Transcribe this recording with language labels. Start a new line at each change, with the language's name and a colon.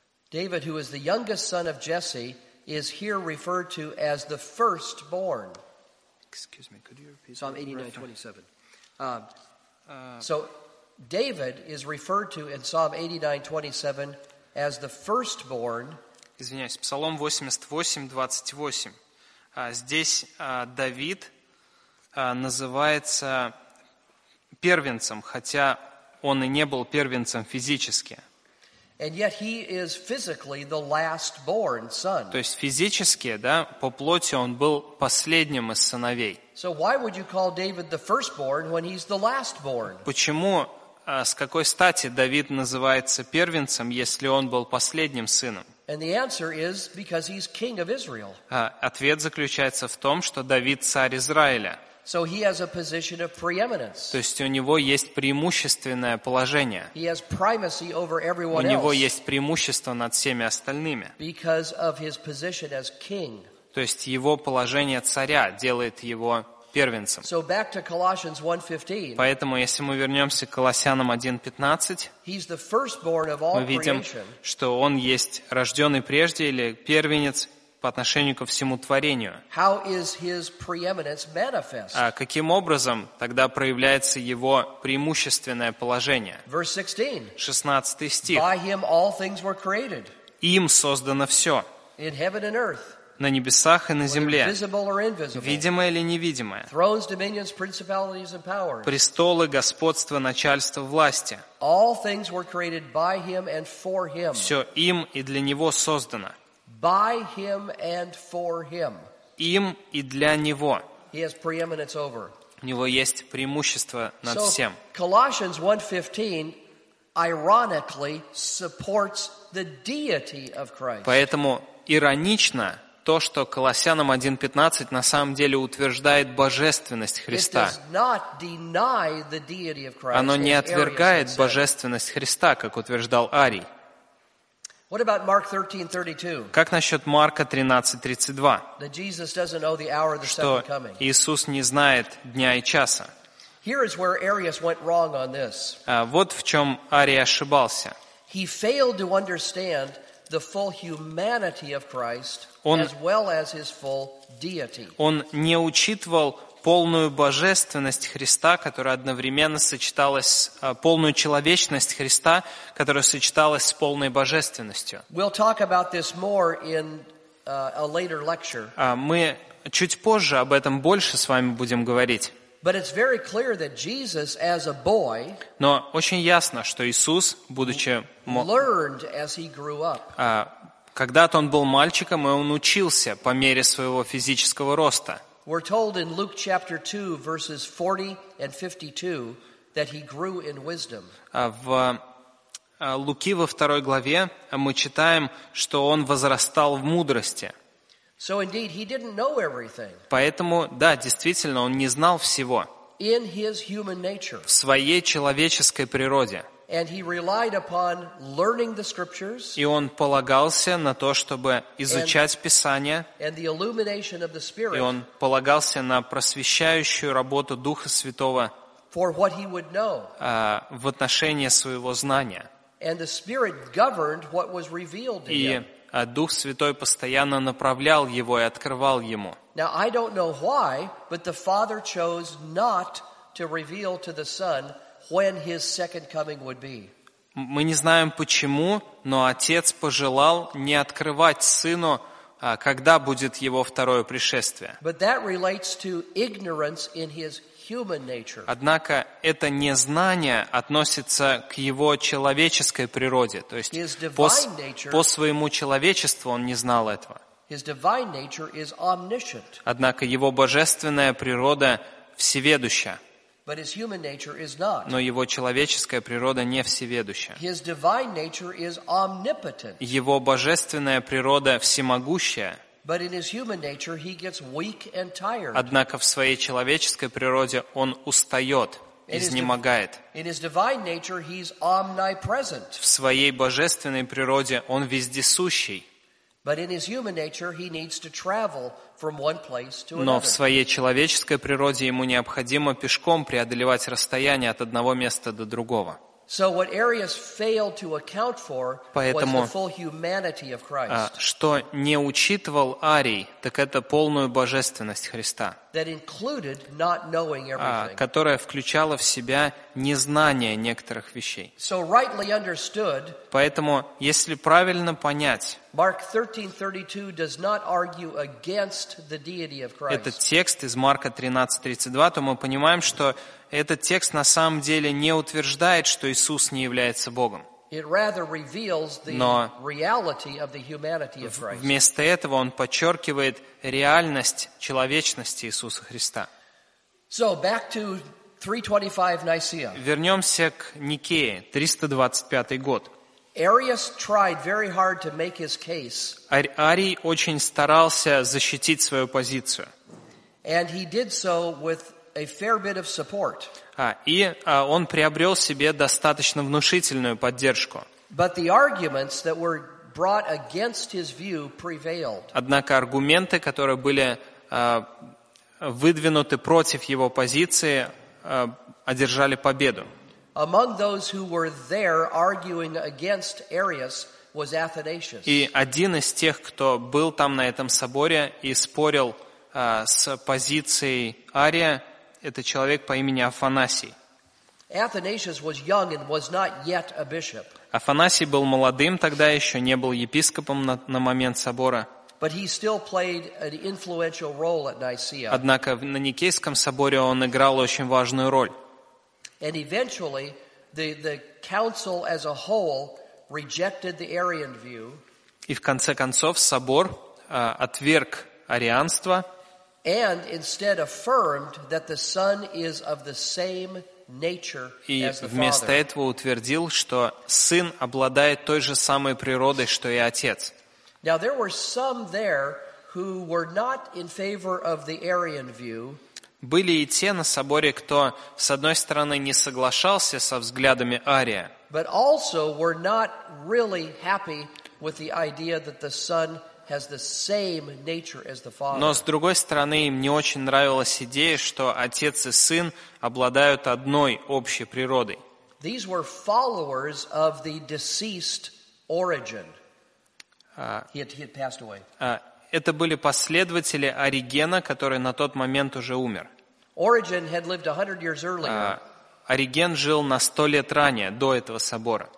English: David, who is the youngest son of Jesse, is here referred to as the firstborn. Excuse me, could you repeat Psalm 89:27? So David is referred to in Psalm 89:27 as the firstborn.
Russian: Извиняюсь, Псалом 88:28. Здесь Давид называется первенцем, хотя он и не был первенцем физически.
English: And yet he is physically the last born son.
Russian: То есть физически, да, по плоти он был последним из сыновей.
English: So why would you call David the firstborn when he's the last born?
Russian: Почему с какой стати Давид называется первенцем, если он был последним сыном?
English: And the answer is because he's king of Israel.
Russian: Ответ заключается в том, что Давид царь Израиля.
English: So he has a position of preeminence.
Russian: То есть у него есть преимущественное положение.
English: He has primacy over everyone else.
Russian: У него есть преимущество над всеми остальными.
English: Because of his position as king.
Russian: То есть его положение царя делает его первенцем.
English: So back to Colossians 1:15.
Russian: Поэтому если мы вернемся к Колоссянам 1:15,
English: he's the firstborn of all creation.
Russian: Мы видим, что он есть рожденный прежде или первенец по отношению ко всему творению.
English: How is his preeminence manifest?
Russian: А каким образом тогда проявляется его преимущественное положение?
English: Verse 16.
Russian: 16 стих.
English: By him all things were created.
Russian: Им создано все.
English: In heaven and earth.
Russian: На небесах и на земле.
English: Visible or invisible.
Russian: Видимое или невидимое.
English: Thrones, dominions, principalities and powers.
Russian: Престолы, господство, начальство, власти.
English: All things were created by him and for him.
Russian: Все им и для него создано.
English: By him and for him.
Russian: Им и для него.
English: He has preeminence over.
Russian: У него есть преимущество над всем.
English: So, Colossians 1:15 ironically supports the deity of Christ.
Russian: Поэтому иронично то, что Колоссянам 1:15 на самом деле утверждает божественность Христа.
English: It does not deny the deity of Christ.
Russian: Оно не отвергает божественность Христа, как утверждал Арий.
English: What about Mark 13:32?
Russian: Как насчет Марка 13:32?
English: That Jesus doesn't know the hour of the second coming.
Russian: Что Иисус не знает дня и часа.
English: Here is where Arius went wrong on this.
Russian: Вот в чем Арий ошибался.
English: He failed to understand the full humanity of Christ as well as his full deity.
Russian: Он не учитывал полную божественность Христа, которая одновременно сочеталась, полную человечность Христа, которая сочеталась с полной божественностью.
English: We'll talk about this more in a later lecture.
Russian: Мы чуть позже об этом больше с вами будем говорить.
English: But it's very clear that Jesus, as a boy,
Russian: но очень ясно, что Иисус, будучи
English: learned as he grew up.
Russian: Когда-то он был мальчиком, и он учился по мере своего физического роста.
English: We're told in Luke chapter 2, verses 40 and 52, that he grew in wisdom.
Russian: В Луки во второй главе мы читаем, что он возрастал в мудрости.
English: So indeed, he didn't know everything.
Russian: Поэтому, да, действительно, он не знал всего.
English: In his human nature.
Russian: В своей человеческой природе.
English: And he relied upon learning the scriptures.
Russian: И он полагался на то, чтобы изучать Писание.
English: And the illumination of the Spirit.
Russian: И он полагался на просвещающую работу Духа Святого.
English: For what he would know.
Russian: В отношении своего знания.
English: And the Spirit governed what was revealed to him.
Russian: И Дух Святой постоянно направлял его и открывал ему.
English: Now I don't know why, but the Father chose not to reveal to the Son when his second coming would be.
Russian: Мы не знаем почему, но Отец пожелал не открывать Сыну, когда будет Его второе пришествие.
English: But that relates to ignorance in his human nature.
Russian: Однако это незнание относится к Его человеческой природе, то есть
English: his divine nature,
Russian: по своему человечеству Он не знал этого.
English: His divine nature is omniscient.
Russian: Однако Его божественная природа всеведуща.
English: But his human nature is not.
Russian: Но его человеческая природа не всеведуща.
English: His divine nature is omnipotent.
Russian: Его божественная природа всемогущая.
English: But in his human nature he gets weak and tired.
Russian: Однако в своей человеческой природе он устает, изнемогает.
English: In his divine nature he's omnipresent.
Russian: В своей божественной природе он вездесущий.
English: But in his human nature he needs to travel from one place to another.
Russian: Но в своей человеческой природе ему необходимо пешком преодолевать расстояние от одного места до другого.
English: So what Arius failed to account for was the full humanity of Christ.
Russian: Что не учитывал Арий, так это полную божественность Христа.
English: That included not knowing everything.
Russian: Которая включала в себя незнание некоторых вещей.
English: So rightly understood.
Russian: Поэтому, если правильно понять,
English: Mark 13:32 does not argue against the deity of Christ.
Russian: Этот текст из Марка 13:32, то мы понимаем, что этот текст на самом деле не утверждает, что Иисус не является Богом. Но вместо этого он подчеркивает реальность человечности Иисуса Христа.
English: So back to 325 Nicaea.
Russian: Вернемся к Никее, 325 год.
English: Arius tried very hard to make his case.
Russian: Арий очень старался защитить свою позицию.
English: And he did so with a fair bit of support.
Russian: Он приобрел себе достаточно внушительную поддержку.
English: But the arguments that were brought against his view prevailed.
Russian: Однако аргументы, которые были выдвинуты против его позиции, одержали победу.
English: Among those who were there arguing against Arius was Athanasius.
Russian: И один из тех, кто был там на этом соборе и спорил с позицией Ария, это человек по имени Афанасий.
English: Athanasius was young and was not yet a bishop.
Russian: Афанасий был молодым тогда еще, не был епископом на момент собора.
English: But he still played an influential role at Nicaea.
Russian: Однако на Никейском соборе он играл очень важную роль.
English: And eventually the council as a whole rejected the Arian view.
Russian: И в конце концов собор отверг арианство.
English: And instead affirmed that the Son is of the same nature as the Father.
Russian: И вместо этого утвердил, что Сын обладает той же самой природой, что и Отец.
English: Now there were some there who were not in favor of the Arian view.
Russian: Были и те на соборе, кто с одной стороны не соглашался со взглядами Ария.
English: But also were not really happy with the idea that the Son has the same nature as the Father.
Russian: Но с другой стороны, им не очень нравилась идея, что Отец и Сын обладают одной общей природой.
English: These were followers of the deceased Origen. He had passed away.
Russian: Это были последователи Оригена, который на тот момент уже умер.
English: Origen had lived 100 years earlier.
Russian: Ориген жил на 100 лет ранее, до этого собора.